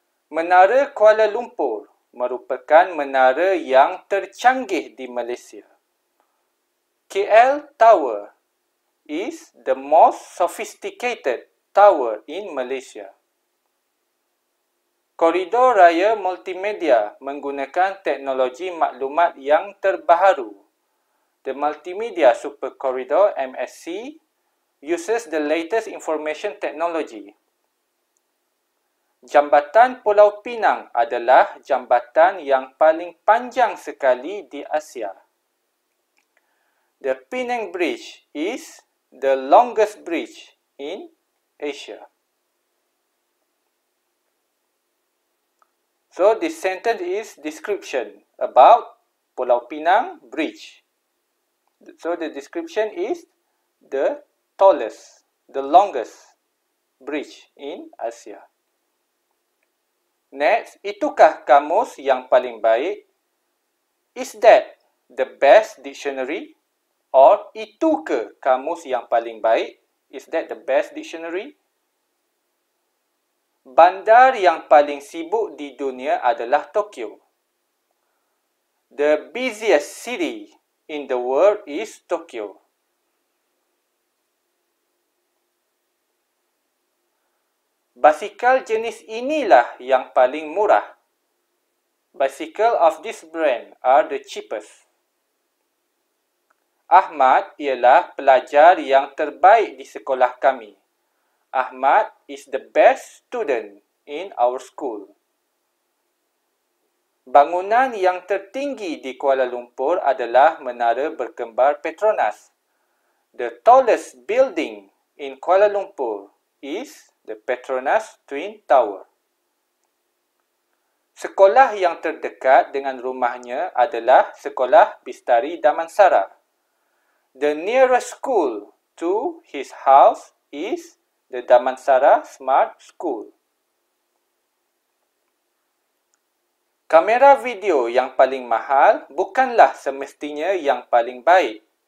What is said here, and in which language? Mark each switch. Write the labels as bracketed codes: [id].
[ms] Menara Kuala Lumpur merupakan menara yang tercanggih di Malaysia. [en] KL Tower is the most sophisticated tower in Malaysia. [ms] Koridor Raya Multimedia menggunakan teknologi maklumat yang terbaru. [en] The Multimedia Super Corridor MSC uses the latest information technology. [ms] Jambatan Pulau Pinang adalah jambatan yang paling panjang sekali di Asia. [en] The Penang Bridge is the longest bridge in Asia. So this sentence is description about Pulau Pinang Bridge. So the description is the tallest, the longest bridge in Asia. Next, [ms] itukah kamus yang paling baik? [en] Is that the best dictionary? Or [ms] itukah kamus yang paling baik? [en] Is that the best dictionary? [ms] Bandar yang paling sibuk di dunia adalah Tokyo. [en] The busiest city in the world is Tokyo. [ms] Basikal jenis inilah yang paling murah. [en] Bicycle of this brand are the cheapest. [ms] Ahmad ialah pelajar yang terbaik di sekolah kami. [en] Ahmad is the best student in our school. [ms] Bangunan yang tertinggi di Kuala Lumpur adalah Menara Berkembar Petronas. [en] The tallest building in Kuala Lumpur is the Petronas Twin Tower. [ms] Sekolah yang terdekat dengan rumahnya adalah Sekolah Bistari Damansara. [en] The nearest school to his house is the Damansara Smart School. [ms] Kamera video yang paling mahal bukanlah semestinya yang paling baik.